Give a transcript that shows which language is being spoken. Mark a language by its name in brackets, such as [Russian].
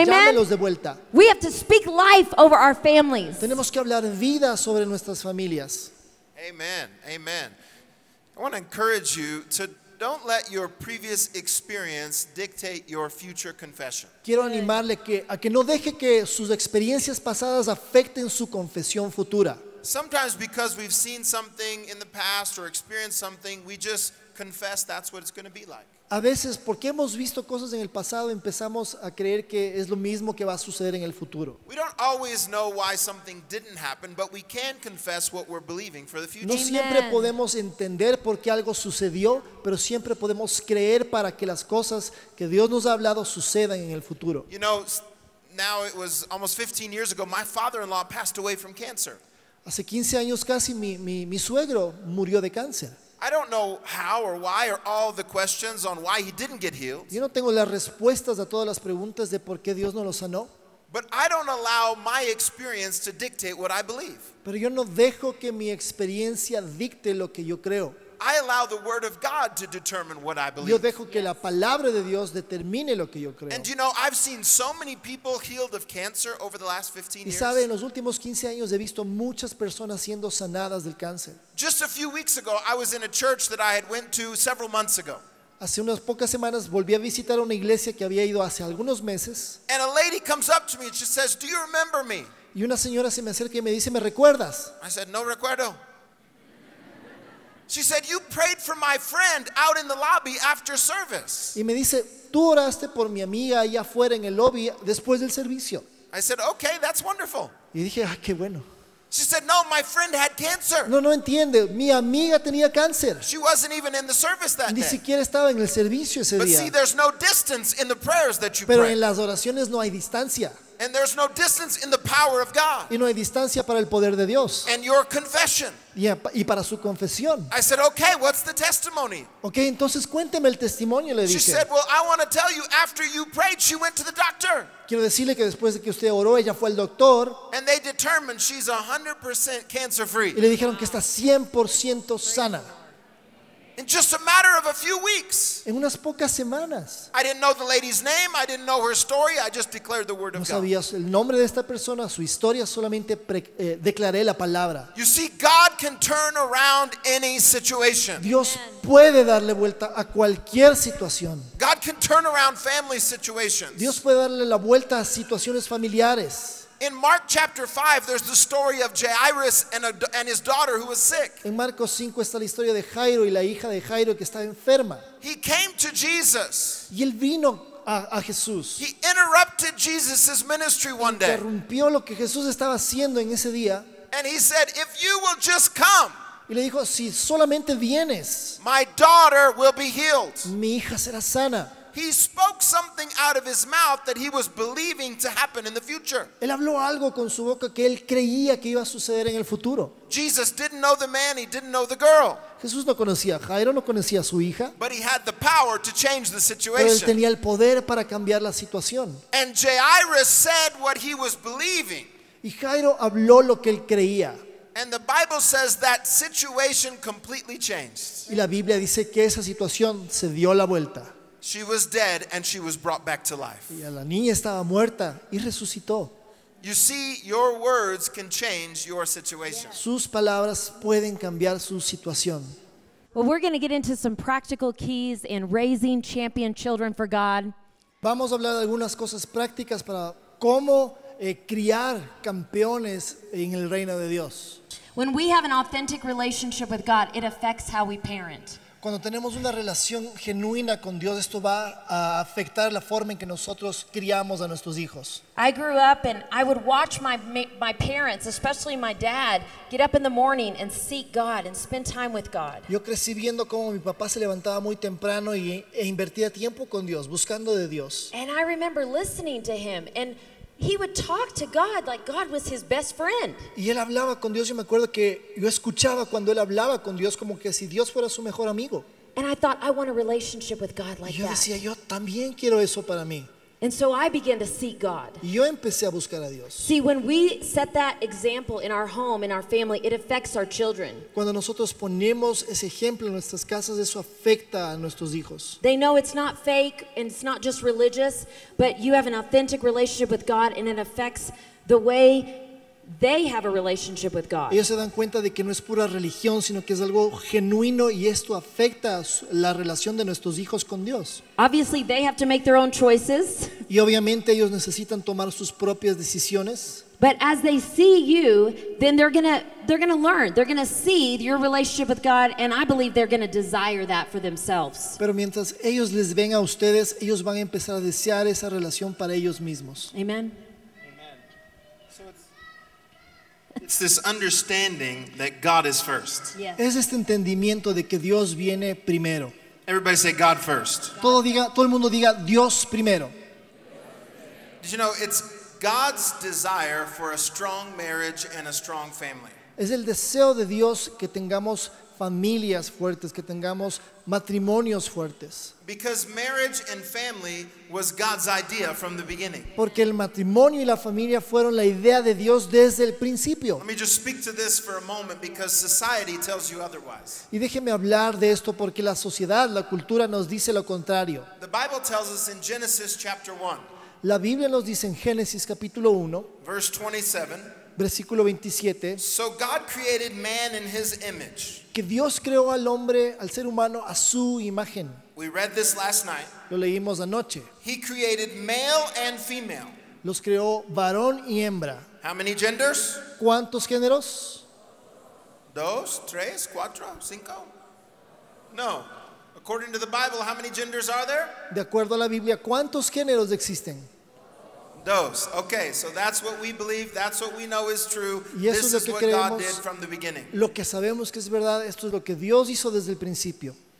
[English] Amen. [Spanish] Llámelos de vuelta. [English] We have to speak life over our families. [Spanish] Tenemos que hablar vida sobre nuestras familias. [English] Amen. Amen. I want to encourage you to don't let your previous experience dictate your future confession. [Spanish] Quiero animarle a que no deje que sus experiencias pasadas afecten su confesión futura. [English] Sometimes because we've seen something in the past or experienced something, we just confess that's what it's going to be like. [Spanish] A veces porque hemos visto cosas en el pasado, empezamos a creer que es lo mismo que va a suceder en el futuro. [English] We don't always know why something didn't happen, but we can confess what we're believing for the future. [Spanish] No siempre podemos entender por qué algo sucedió, pero siempre podemos creer para que las cosas que Dios nos ha hablado sucedan en el futuro. [English] You know, now it was almost 15 years ago, my father-in-law passed away from cancer. [Spanish] Hace 15 años casi mi suegro murió de cáncer. [English] I don't know how or why or all the questions on why he didn't get healed. [Spanish] Yo no tengo las respuestas a todas las preguntas de por qué Dios no lo sanó. [English] But I don't allow my experience to dictate what I believe. [Spanish] Pero yo no dejo que mi experiencia dicte lo que yo creo. [English] I allow the word of God to determine what I believe. [Spanish] Yo dejo que la palabra de Dios determine lo que yo creo. [English] And you know, I've seen so many people healed of cancer over the last 15 years. [Spanish] Y sabe, en los últimos 15 años he visto muchas personas siendo sanadas del cáncer. [English] Just a few weeks ago, I was in a church that I had went to several months ago. [Spanish] Hace unas pocas semanas volví a visitar una iglesia que había ido hace algunos meses. [English] And a lady comes up to me and she says, "Do you remember me?" [Spanish] Y una señora se me acerca y me dice, "¿Me recuerdas?" [English] I said, [Spanish] "No recuerdo." [English] She said, "You prayed for my friend out in the lobby after service." [Spanish] Y me dice, "Tú oraste por mi amiga allá afuera en el lobby después del servicio." [English] I said, "Okay, that's wonderful." [Spanish] Y dije, "Ah, qué bueno." [English] She said, "No, my friend had cancer." [Spanish] No entiende, mi amiga tenía cáncer. [English] She wasn't even in the service that day. [Spanish] Ni siquiera estaba en el servicio ese día. [English] But see, there's no distance in the prayers that you pray. [Spanish] Pero en las oraciones no hay distancia. [English] And there's no distance in the power of God. [Spanish] Y no hay distancia para el poder de Dios. [English] And your confession. [Spanish] Y para su confesión. [English] I said, "Okay, what's the testimony?" [Spanish] Okay, entonces cuénteme el testimonio, le dije. [English] She said, "Well, I want to tell you, after you prayed, she went to the doctor." [Spanish] Quiero decirle que después de que usted oró, ella fue al doctor. [English] And they determined she's 100% cancer free. [Spanish] Y le dijeron que está 100% sana. [English] In just a matter of a few weeks. [Spanish] En unas pocas semanas. [English] I didn't know the lady's name. I didn't know her story. I just declared the word of God. [Spanish] No sabía el nombre de esta persona, su historia. Solamente declaré la palabra. [English] You see, God can turn around any situation. [Spanish] Dios puede darle vuelta a cualquier situación. [English] God can turn around family situations. [Spanish] Dios puede darle la vuelta a situaciones familiares. [English] In Mark chapter 5, there's the story of Jairus and his daughter who was sick. [Spanish] En Marcos 5 está la historia de Jairo y la hija de Jairo que estaba enferma. [English] He came to Jesus. [Spanish] Y él vino a Jesús. [English] He interrupted Jesus' ministry one day. [Spanish] Interrumpió lo que Jesús estaba haciendo en ese día. [English] And he said, "If you will just come." [Spanish] Y le dijo, "Si solamente vienes." [English] "My daughter will be healed." [Spanish] Mi hija será sana. [English] He spoke something out of his mouth that he was believing to happen in the future. [Spanish] Él habló algo con su boca que él creía que iba a suceder en el futuro. [English] Jesus didn't know the man, he didn't know the girl. [Spanish] Jesús no conocía a Jairo, no conocía a su hija. [English] But he had the power to change the situation. [Spanish] Pero él tenía el poder para cambiar la situación. [English] And Jairus said what he was believing. [Spanish] Y Jairo habló lo que él creía. [English] And the Bible says that situation completely changed. [Spanish] Y la Biblia dice que esa situación se dio la vuelta. [English] She was dead and she was brought back to life. [Spanish] Y la niña estaba muerta y resucitó. [English] You see, your words can change your situation. [Spanish] Sus palabras pueden cambiar su situación. [English] Well, we're going to get into some practical keys in raising champion children for God. [Spanish] Vamos a hablar de algunas cosas prácticas para cómo criar campeones en el reino de Dios. [English] When we have an authentic relationship with God, it affects how we parent. [Spanish] Cuando tenemos una relación genuina con Dios, esto va a afectar la forma en que nosotros criamos a nuestros hijos. [English] I grew up and I would watch my parents, especially my dad, get up in the morning and seek God and spend time with God. [Spanish] Yo crecí viendo cómo mi papá se levantaba muy temprano e invertía tiempo con Dios, buscando de Dios. [English] And I remember listening to him and he would talk to God like God was his best friend. [Spanish] Y él hablaba con Dios. Yo me acuerdo que yo escuchaba cuando él hablaba con Dios como que si Dios fuera su mejor amigo. [English] And I thought, I want a relationship with God like that. [Spanish] Y yo decía, yo también quiero eso para mí. [English] And so I began to seek God. [Spanish] Y yo empecé a buscar a Dios. [English] See, when we set that example in our home, in our family, it affects our children. [Spanish] Cuando nosotros ponemos ese ejemplo en nuestras casas, eso afecta a nuestros hijos. [English] They know it's not fake and it's not just religious, but you have an authentic relationship with God and it affects the way they have a relationship with God. [Spanish] Ellos se dan cuenta de que no es pura religión, sino que es algo genuino y esto afecta la relación de nuestros hijos con Dios. [English] Obviously, they have to make their own choices. [Spanish] Y obviamente ellos necesitan tomar sus propias decisiones. [English] But as they see you, then they're gonna learn. They're gonna see your relationship with God, and I believe they're gonna desire that for themselves. [Spanish] Pero mientras ellos les ven a ustedes, ellos van a empezar a desear esa relación para ellos mismos. [English] Amen. It's this understanding that God is first. [Spanish] Es este entendimiento de que Dios viene primero. [English] Everybody say God first. [Spanish] Todo el mundo diga Dios primero. [English] Did you know it's God's desire for a strong marriage and a strong family? [Spanish] Es el deseo de Dios que tengamos familias fuertes, que tengamos matrimonios fuertes. [English] Because marriage and family was God's idea from the beginning. [Spanish] Porque el matrimonio y la familia fueron la idea de Dios desde el principio. [English] Let me just speak to this for a moment because society tells you otherwise. [Spanish] Y déjeme hablar de esto porque la sociedad, la cultura nos dice lo contrario. [English] The Bible tells us in Genesis chapter 1. [Spanish] La Biblia nos dice en Génesis capítulo 1, [English] verse 27. [Spanish] Versículo 27. [English] So God created man in his image. [Spanish] Que Dios creó al hombre, al ser humano, a su imagen. [English] We read this last night. [Spanish] Lo leímos anoche. [English] He created male and female. [Spanish] Los creó varón y hembra. [English] How many genders? [Spanish] ¿Cuántos géneros? Dos, tres, cuatro, cinco. No. [English] According to the Bible, how many genders are there? [Spanish] De acuerdo a la Biblia, ¿cuántos géneros existen? Dos. [English] Okay, so that's what we believe, that's what we know is true. [Spanish] Y eso [English] this [Spanish] es lo que [English] is what [Spanish] creemos, [English] God did from the beginning. [Spanish] Lo que sabemos que es verdad, esto es lo que Dios hizo desde el principio.